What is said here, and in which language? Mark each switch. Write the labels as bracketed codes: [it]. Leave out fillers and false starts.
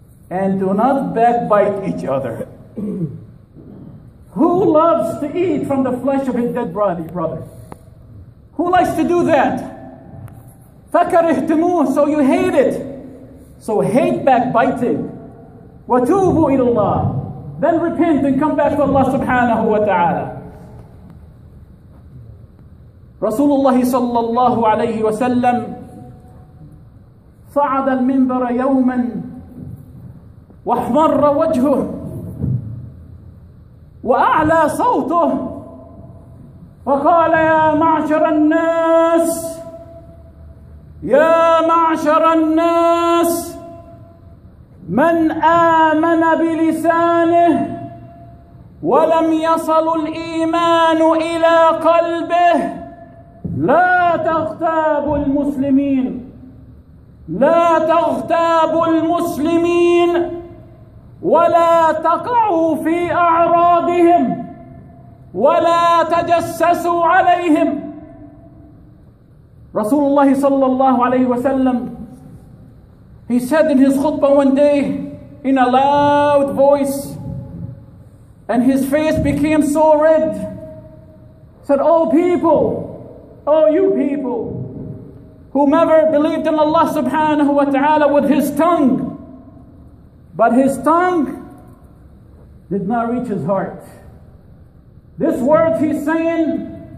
[en] And do not backbite each other. Who loves to eat from the flesh of his dead brother? Who likes to do that? [ar] فَكَرِهْتُمُوهُ [en] So you hate it. So hate backbiting. [ar] وَتُوبُوا إِلَى اللَّهِ [en] Then repent and come back to Allah subhanahu wa ta'ala. [ar] Rasulullah sallallahu alayhi wa sallam صعد المنبر يوما واحمر وجهه وأعلى صوته فقال يا معشر الناس يا معشر الناس من آمن بلسانه ولم يصل الإيمان إلى قلبه لا تغتاب المسلمين لا تغتاب المسلمين ولا تقعوا في أعراضهم ولا تجسسوا عليهم. رسول الله صلى الله عليه وسلم [en] he said in his khutbah one day in a loud voice and his face became so red, said, oh people, oh you people, whomever believed in Allah subhanahu wa ta'ala with his tongue, but his tongue did not reach his heart. This word he's saying